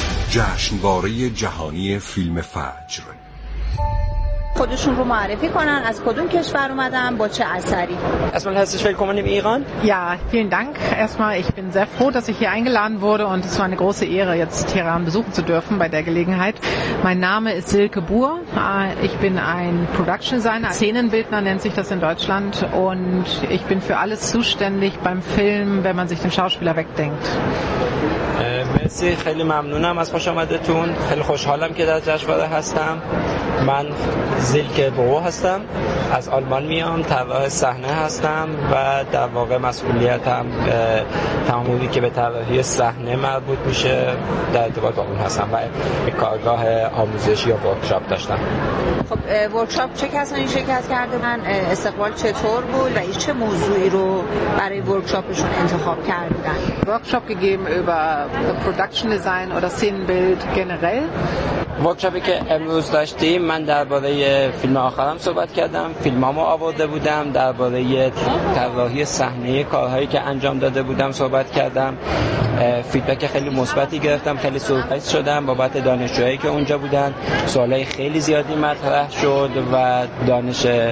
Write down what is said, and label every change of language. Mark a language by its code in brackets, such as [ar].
[fa] جشنواره جهانی فیلم فجر. خودشون رو معرفی کنن، از کدوم کشور اومدن، با چه اثری. [de] Erstmal herzlich willkommen im Iran. Ja, vielen Dank. Erstmal ich bin sehr froh, dass ich hier eingeladen wurde und es war eine große Ehre, jetzt Teheran besuchen zu dürfen bei der Gelegenheit. Mein Name ist Silke Buhr. Ich bin ein Production Designer, Szenenbildner nennt sich das in Deutschland und ich bin für alles zuständig beim Film, wenn man sich den Schauspieler wegdenkt. [fa] مرسی، خیلی ممنونم از خوش آمدتون. خیلی خوشحالم که در جشنواره هستم. من زیلکه بو هستم، از آلمان میام، طراح صحنه هستم و در واقع مسئولیتم تمامی که به طراحی صحنه مربوط میشه در ارتباط با اون هستم و کارگاه آموزشی یا ورکشاپ داشتم. خب ورکشاپ چه کسانی شرکت کرده من، استقبال چطور بود و چه موضوعی رو برای ورکشاپشون انتخاب کردن؟ ورکشاپ گیم اوبر [de] Production Design oder Szenenbild generell. [fa] ورکشاپی که امروز داشتیم، من درباره فیلم آخرم صحبت کردم، فیلمامو آورده بودم، درباره طراحی صحنه کارهایی که انجام داده بودم صحبت کردم، فیدبک خیلی مثبتی گرفتم، خیلی سورپرایز شدم بابت دانشجوهایی که اونجا بودن، سوالای خیلی زیادی مطرح شد و دانش